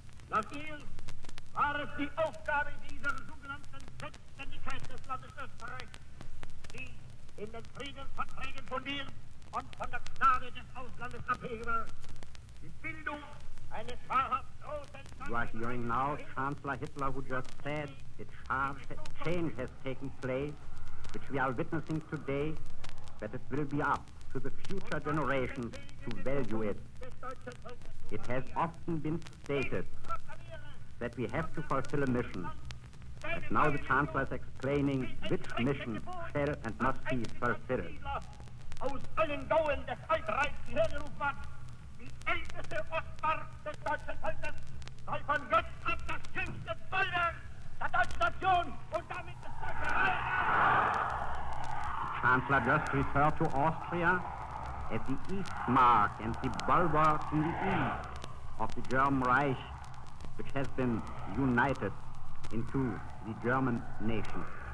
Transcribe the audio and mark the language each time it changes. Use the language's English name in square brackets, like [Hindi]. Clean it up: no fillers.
[German] Nach ihr war es die Aufgabe dieser sogenannten Selbstständigkeit des Landes Österreich, die in den Friedensverträgen von mir und von der Gnade des Auslandes abhängig war, die Bildung eines wahrhaft großen... [English] You are hearing now Chancellor Hitler, who just said it's hard, a change has taken place, which we are witnessing today, that it will be up to the future generations to value it. It has often been stated that we have to fulfill a mission. And now the Chancellor is explaining which mission shall and must be fulfilled. [German] Aus allen Gauen des Altreichs hergerufen hat, die älteste Ostmark des deutschen Volkes sei von Gott ab das schönste Bollwerk der deutschen Nation und damit das deutsche Reich. [English] Chancellor just referred to Austria as the East Mark and the bulwark in the east of the German Reich, which has been united into the German nation.